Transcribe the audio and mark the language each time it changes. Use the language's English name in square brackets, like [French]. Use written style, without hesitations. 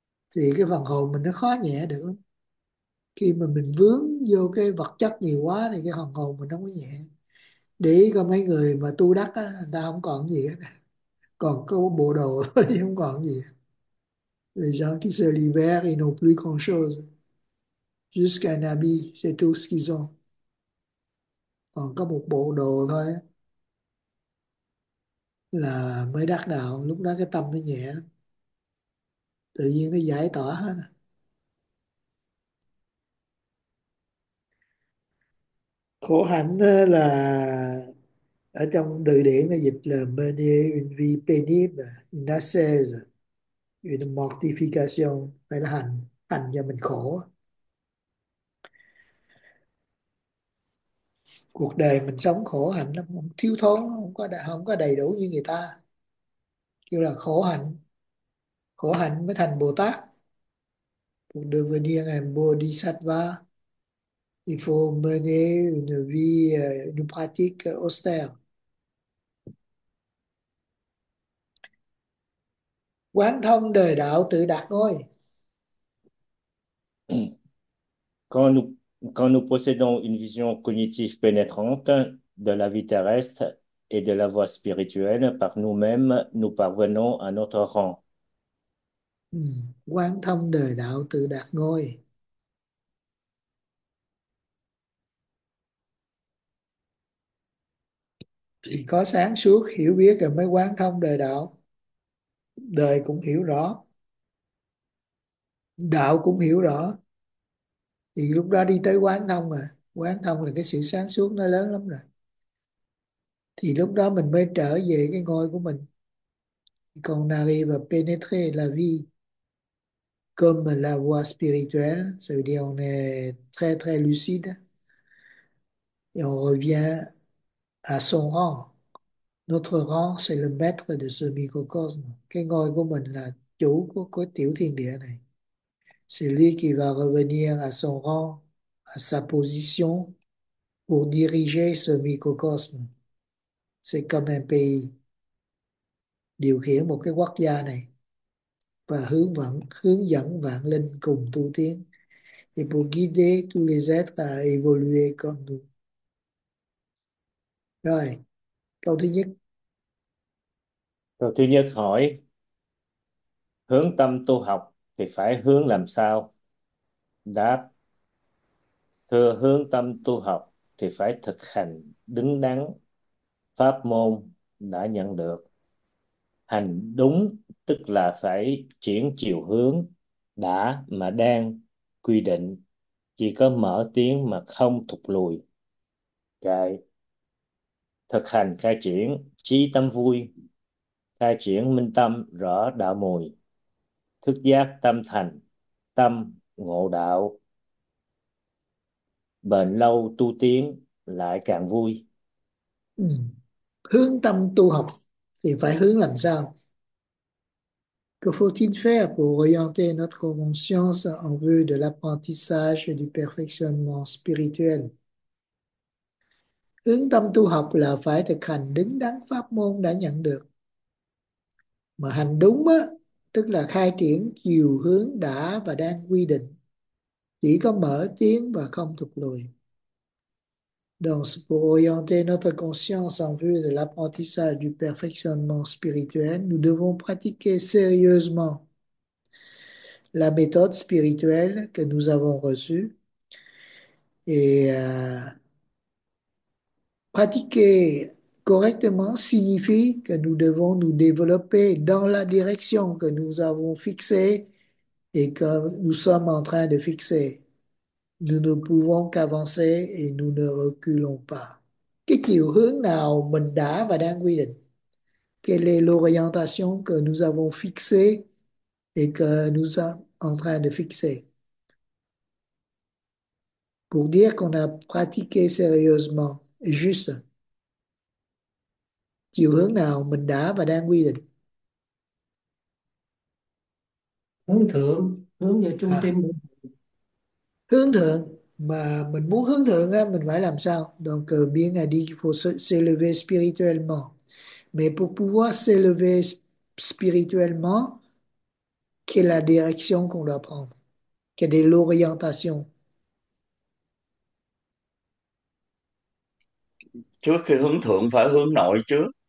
[Vietnamese] Thì cái phần hồn mình nó khó nhẹ được lắm. Khi mà mình vướng vô cái vật chất nhiều quá thì cái phần hồn mình nó không có nhẹ. Để ý có mấy người mà tu đắc á, người ta không còn gì hết. Còn có bộ đồ thôi chứ không còn gì hết. [French] Les gens qui se libèrent, ils n'ont plus grand-chose. Juste un habit, c'est tout ce qu'ils ont. [Vietnamese] Còn có một bộ đồ thôi là mới đắc đạo, lúc đó cái tâm nó nhẹ lắm. Tự nhiên nó giải tỏa hết. Khổ hạnh là ở trong từ điển nó dịch là [French] mener une vie pénible, une une mortification, [Vietnamese] phải là hành, hành cho mình khổ. Cuộc đời mình sống khổ hạnh lắm, không thiếu thốn, không có đầy đủ như người ta. Kêu là khổ hạnh. Khổ hạnh mới thành Bồ Tát. Cuộc đời vừa niên là Bodhisattva. [French] Il faut mener une vie, une pratique austère. [Vietnamese] Quán thông đời đạo tự đạt thôi. [French] Quand nous possédons une vision cognitive pénétrante de la vie terrestre et de la voie spirituelle par nous-mêmes, nous parvenons à notre rang. [Vietnamese] Quán thông đời đạo tự đạt ngôi. Chỉ có sáng suốt hiểu biết rồi mới quán thông đời đạo. Đời cũng hiểu rõ, đạo cũng hiểu rõ, thì lúc đó đi tới quán thông. Mà quán thông là cái sự sáng suốt nó lớn lắm rồi, thì lúc đó mình mới trở về cái ngôi của mình. Còn [French] n'arrive à pénétrer la vie comme la voie spirituelle, ça veut dire on est très très lucide et on revient à son rang. Notre rang, c'est le maître de ce microcosme. [Vietnamese] Cái ngôi của mình là chủ của tiểu thiên địa này. [French] C'est lui qui va revenir à son rang, à sa position, pour diriger ce microcosme. C'est comme un pays [Vietnamese] điều khiển một cái quốc gia này và hướng dẫn vạn linh cùng tu tiến. [French] Et pour guider tous les êtres à évoluer comme nous. [Vietnamese] Rồi, câu thứ nhất. Câu thứ nhất hỏi, hướng tâm tu học thì phải hướng làm sao? Đáp, thưa hướng tâm tu học thì phải thực hành đứng đắn pháp môn đã nhận được. Hành đúng tức là phải chuyển chiều hướng đã mà đang quy định, chỉ có mở tiến mà không thụt lùi. Cái thực hành khai triển trí tâm vui, khai triển minh tâm rõ đạo mùi, thức giác tâm thành, tâm ngộ đạo. bền lâu tu tiến lại càng vui. Hướng tâm tu học thì phải hướng làm sao? [French] Que faut-il faire pour orienter notre conscience en vue de l'apprentissage et du perfectionnement spirituel? [Vietnamese] Hướng tâm tu học là phải thực hành đứng đắn pháp môn đã nhận được. Mà hành đúng á, tức là khai triển chiều hướng đã và đang quy định. Chỉ có mở tiến và không thụt lùi. [French] Donc, pour orienter notre conscience en vue de l'apprentissage du perfectionnement spirituel, nous devons pratiquer sérieusement la méthode spirituelle que nous avons reçue et pratiquer correctement signifie que nous devons nous développer dans la direction que nous avons fixée et que nous sommes en train de fixer. Nous ne pouvons qu'avancer et nous ne reculons pas. [Vietnamese] Cái chiều hướng nào mình đã và đang quy định? [French] Quelle est l'orientation que nous avons fixée et que nous sommes en train de fixer? Pour dire qu'on a pratiqué sérieusement et juste, [Vietnamese] chiều hướng nào mình đã và đang quy định? Hướng thượng, hướng về trung À, tâm. hướng thượng mà mình muốn hướng thượng á, mình phải làm sao? [French] Donc bien a dit qu'il faut s'élever spirituellement. Mais pour pouvoir s'élever spirituellement, quelle est la direction qu'on doit prendre? Quelle est l'orientation? [Vietnamese] Trước khi hướng thượng phải hướng nội trước.